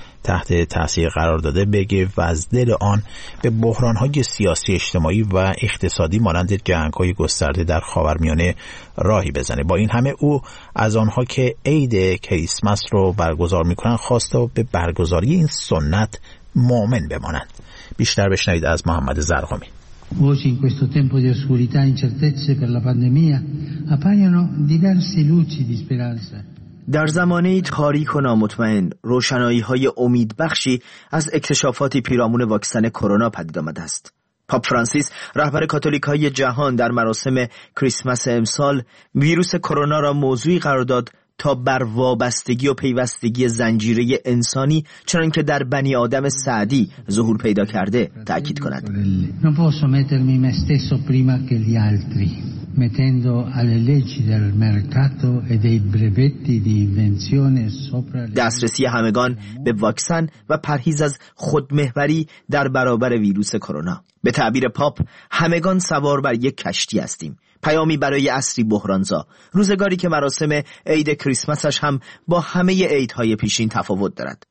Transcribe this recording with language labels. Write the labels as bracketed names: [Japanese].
[Persian] تحت تاثیر قرار داده بگه و از دل آن به بحران‌های سیاسی، اجتماعی و اقتصادی مانند جنگ‌های گسترده در خاورمیانه راهی بزنه. با این همه او از آنها که عید کریسمس رو برگزار می‌کنند خواست و به برگزاری این سنت مؤمن بمانند. بیشتر بشنوید از محمد زرقامی. [Italian] Voci in questo tempo di oscurità e incertezze per la pandemia appaiono diverse luci di speranza. [Persian] در زمانه تاریک و نامطمئن، روشنایی‌های امیدبخشی از اکتشافات پیرامون واکسن کرونا پدید آمده است. پاپ فرانسیس، رهبر کاتولیک‌های جهان، در مراسم کریسمس امسال ویروس کرونا را موضوعی قرار داد تا بر وابستگی و پیوستگی زنجیره انسانی، چنان که در بنی آدم سعدی ظهور پیدا کرده، تاکید کند. [Italian] Non posso mettermi me stesso prima che gli altri, mettendo alle leggi del mercato e dei brevetti di invenzione sopra. [Persian] دسترسی همگان به واکسن و پرهیز از خودمحوری در برابر ویروس کرونا. به تعبیر پاپ، همگان سوار بر یک کشتی هستیم. پیامی برای عصری بحرانزا، روزگاری که مراسم عید کریسمسش هم با همه عیدهای پیشین تفاوت دارد.